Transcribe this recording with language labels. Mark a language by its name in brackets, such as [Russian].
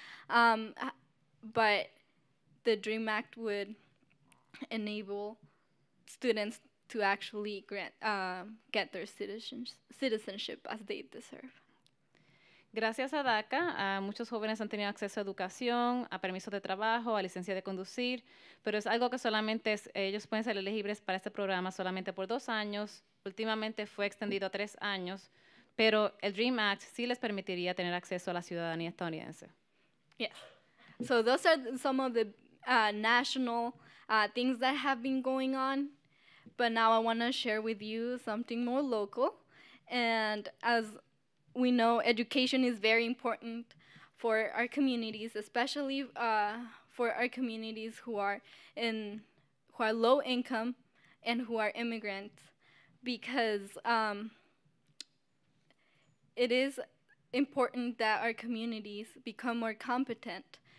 [English] But the Dream Act would enable students to actually get their citizenship as they deserve. [Spanish] Gracias a DACA, muchos jóvenes han tenido acceso a educación, a permisos de trabajo, a licencia de conducir, pero es algo que solamente ellos pueden ser elegibles para este programa solamente por 2 años. Últimamente fue extendido a 3 años, pero el Dream Act sí les permitiría tener acceso a la ciudadanía estadounidense. [English] Yeah. So those are some of the national things that have been going on, but now I want to share with you something more local. And as we know, education is very important for our communities, especially for our communities who are low income and who are immigrants, because it is important that our communities become more competent.